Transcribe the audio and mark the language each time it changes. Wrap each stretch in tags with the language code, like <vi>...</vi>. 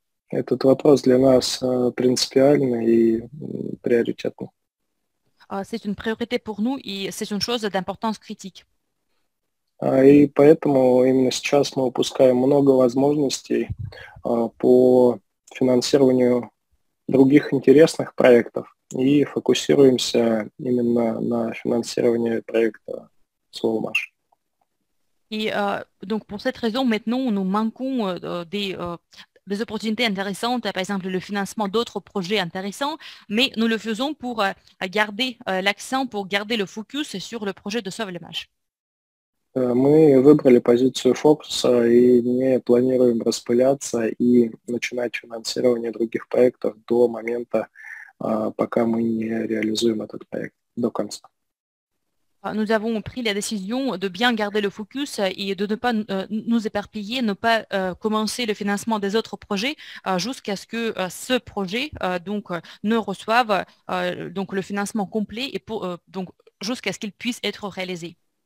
<ru>Этот вопрос для нас принципиальный и приоритетный.</ru> <fr>C'est une priorité pour nous et c'est une chose d'importance critique.</fr> <ru>И поэтому именно сейчас мы упускаем много возможностей по финансированию других интересных проектов и фокусируемся именно на финансировании проекта Slowmash.</ru> <fr>Et donc pour cette raison, maintenant, нous manquons des opportunités intéressantes, par exemple le financement d'autres projets intéressants, mais nous le faisons pour garder l'accent, pour garder le focus sur le projet de Sauvelmash.</fr> <ru>Мы выбрали позицию фокуса и не планируем распыляться и начинать финансирование других проектов до момента, пока мы не реализуем этот проект до конца.</ru> <fr>Nous avons pris la décision de bien garder le focus et de ne pas nous éparpiller, ne pas commencer le financement des autres projets jusqu'à ce que ce projet ne reçoive donc le financement complet et donc jusqu'à ce qu'il puisse être réalisé.</fr>